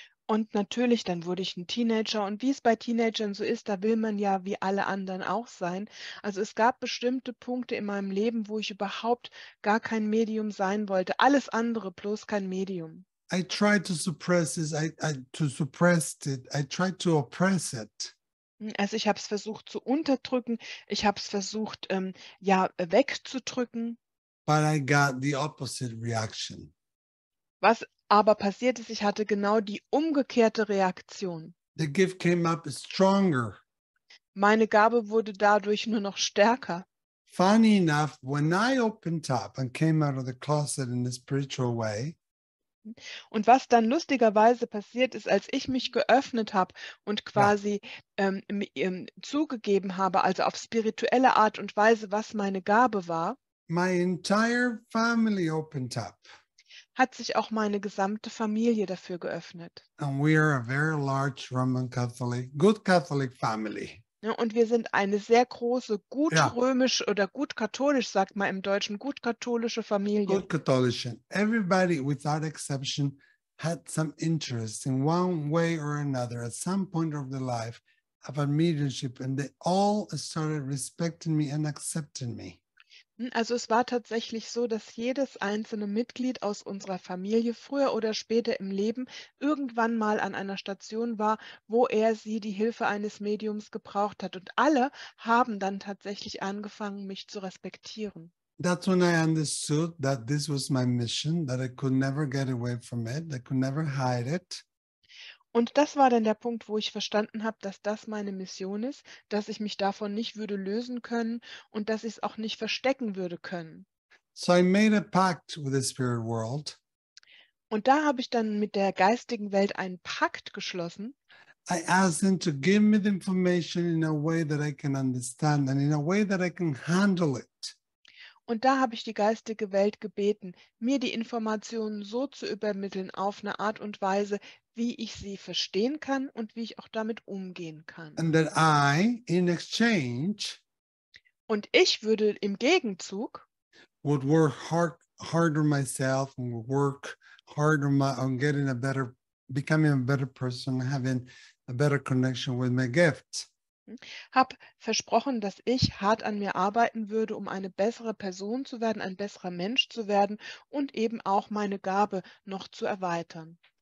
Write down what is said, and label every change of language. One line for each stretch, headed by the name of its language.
German: Und natürlich, dann wurde ich ein Teenager. Und wie es bei Teenagern so ist, da will man ja wie alle anderen auch sein. Also es gab bestimmte Punkte in meinem Leben, wo ich überhaupt gar kein Medium sein wollte. Alles andere, bloß kein Medium.
English: I tried to suppress this, to suppress it, I tried to oppress it.
German: Also ich habe es versucht zu unterdrücken. Ich habe es versucht, ja, wegzudrücken.
English: But I got the opposite reaction.
German: Was aber passiert ist, ich hatte genau die umgekehrte Reaktion.
English: The gift came up stronger.
German: Meine Gabe wurde dadurch nur noch stärker.
English: Funny enough, when I opened up and came out of the closet in a spiritual way,
German: Und was dann lustigerweise passiert ist, als ich mich geöffnet habe und quasi zugegeben habe, also auf spirituelle Art und Weise, was meine Gabe war,
English: my entire family opened up.
German: hat sich auch meine gesamte Familie dafür geöffnet.
English: And we are a very large Roman Catholic, good Catholic family.
German: Ja, und wir sind eine sehr große, gut römisch oder gut katholisch, sagt man im Deutschen, gut katholische Familie.
English: Good Catholic. Everybody without exception had some interest in one way or another at some point of their life of a mediumship, and they all started respecting me and accepting me.
German: Also es war tatsächlich so, dass jedes einzelne Mitglied aus unserer Familie früher oder später im Leben irgendwann mal an einer Station war, wo er sie die Hilfe eines Mediums gebraucht hat. Und alle haben dann tatsächlich angefangen, mich zu respektieren.
English: That's when I understood that this was my mission, that I could never get away from it, I could never hide it.
German: Und das war dann der Punkt, wo ich verstanden habe, dass das meine Mission ist, dass ich mich davon nicht würde lösen können und dass ich es auch nicht verstecken würde können.
English: So I made a pact with the spirit world.
German: Und da habe ich dann mit der geistigen Welt einen Pakt geschlossen.
English: I asked them to give me the information in a way that I can understand and in a way that I can handle it.
German: Und da habe ich die geistige Welt gebeten, mir die Informationen so zu übermitteln auf eine Art und Weise, wie ich sie verstehen kann und wie ich auch damit umgehen kann.
English: And that I, in exchange,
German: und ich würde im Gegenzug
English: would work harder myself and work harder on getting a better, becoming a better person, having a better connection with my gift.
German: Habe versprochen, dass ich hart an mir arbeiten würde, um eine bessere Person zu werden, ein besserer Mensch zu werden und eben auch meine Gabe noch zu erweitern.